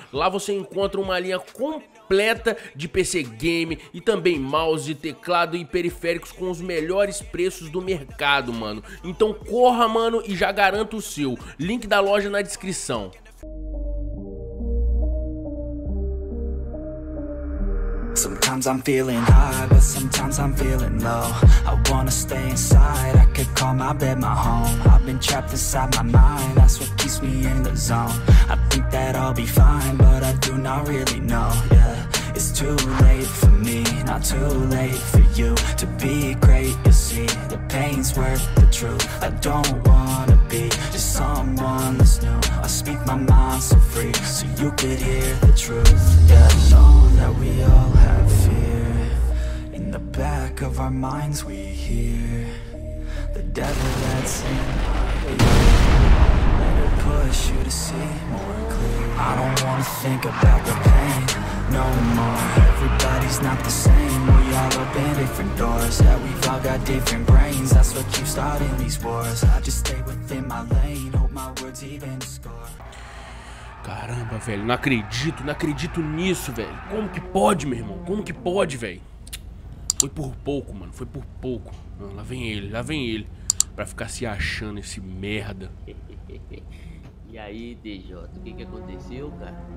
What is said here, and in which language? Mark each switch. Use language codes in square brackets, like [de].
[pt] Lá você encontra uma linha completa de PC game e também mouse, teclado e periféricos com os melhores preços do mercado, mano. Então corra, mano, e já garanta o seu. Link da loja na descrição. [en] Sometimes I'm feeling high, but sometimes I'm feeling low. I wanna stay inside, I could call my bed my home. I've been trapped inside my mind, that's what keeps me in the zone. I think that I'll be fine, but I do not really know. Yeah, it's too late for me, not too late for you. To be great, you see, the pain's worth the truth. I don't wanna be just someone that's new. I speak my mind so free, so you could hear the truth. Yeah, I know that we all have fear. In the back of our minds we hear the devil that's in our ear. Let it push you to see more clear. I don't wanna think about the pain no more. Everybody's not the same. We all open different doors. Yeah, we've all got different brains. That's what keeps starting these wars. I just stay within my lane. Hope my words even score. [pt] Caramba, velho, não acredito nisso, velho. Como que pode, meu irmão? Como que pode, velho? Foi por pouco, mano, foi por pouco. Não, lá vem ele. Pra ficar se achando esse merda. E aí, DJ, o que que aconteceu, cara?